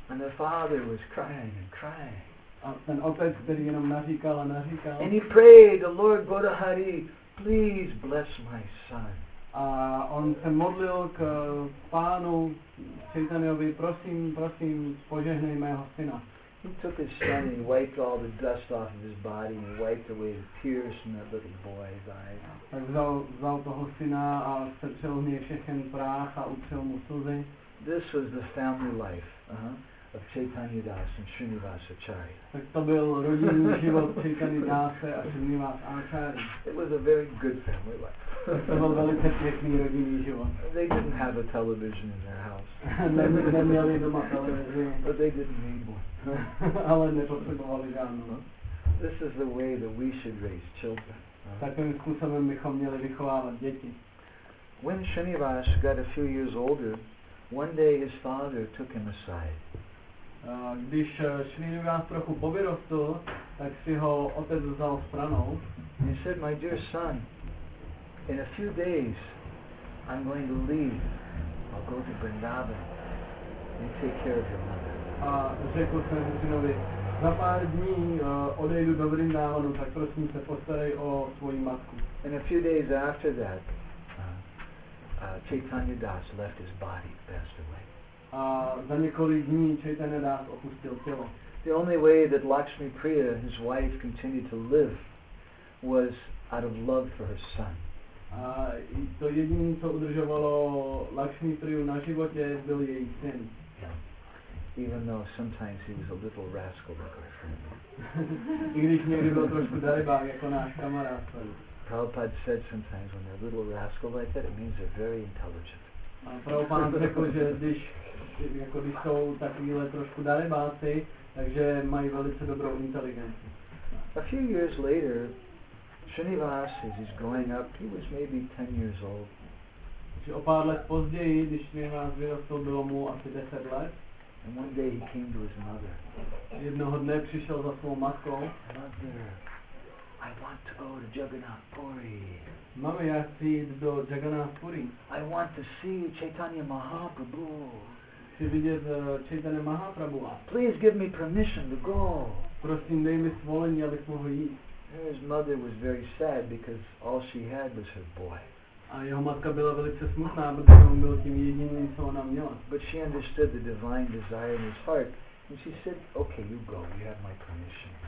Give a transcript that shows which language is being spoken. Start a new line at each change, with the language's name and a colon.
English: And the father was crying and crying.
Czech: A ten otec, který jenom naříkal a naříkal.
English: And he prayed, the Lord Godahari, please bless my son.
Czech: A on se modlil k pánu Chaitanyovi, prosím, prosím, požehnej mého syna.
English: He took his son and wiped all the dust off of his body and wiped away the tears from that little boy's eyes.
Czech: Tak vzal toho syna a strčil mě všechen práh a utřel mu slzy.
English: This was the family life of Chaitanya Das and Srinivas Acharya.
Czech: Tak to byl rodinný život Chaitanya Dase a Srinivas Acharya.
English: It was a very good family life.
Czech: To byl velice pěkný rodinný život.
English: They didn't have a television in their house.
Czech: Neměli doma televizi.
English: But they didn't need one.
Czech: Ale nepotřebovali žádnou.
English: This is the way that we should raise children.
Czech: Takovým způsobem bychom měli vychovávat děti.
English: When Srinivas got a few years older, one day his father took him aside.
Czech: Když Srinivas trochu povyrostl, tak si ho otec vzal stranou.
English: He said, my dear son, in a few days, I'm going to leave. I'll go to Vrindavan. You take care of your mother.
Czech: A řekl svému synovi, za pár dní odejdu do Vrindávanu, tak prosím se postarej o svoji matku.
English: And a few days after that, Chaitanya Das left his body, passed away.
Czech: A za několik dní Chaitanya Das opustil tělo.
English: The only way that Lakshmi Priya, his wife, continued to live was out of love for her son.
Czech: A to jediné, co udržovalo Lakshmi Priyu na životě, byl její syn.
English: Even though sometimes he was a little rascal like our friend.
Czech: I když někdy byl trošku darybák, jako náš kamarád.
English: Prabhupada said sometimes when they're a little rascal like that, it means they're very intelligent.
Czech: A Prabhupada řekl, že když, jako když jsou takovýhle trošku darybáci, takže mají velice dobrou inteligenci.
English: A few years later, Srinivas, as he's growing up, he was maybe 10 years old.
Czech: O pár let později, když Srinivas vyrostl, bylo mu asi 10 let.
English: And one day he came to his mother.
Czech: Jednoho dne přišel za svou matkou.
English: Mother, I want to go to Jagannath Puri.
Czech: Mami, já chci jít do Jagannath Puri.
English: I want to see Chaitanya Mahaprabhu.
Czech: Chci vidět Chaitanya Mahaprabhuva.
English: Please give me permission to go.
Czech: Prosím, dej mi svolení, abych mohl jít.
English: His mother was very sad because all she had was her boy.
Czech: A jeho matka byla velice smutná, protože on byl tím jediným, co ona měla.
English: But she understood the divine desire in his heart, and she said, okay, you go, you have my permission.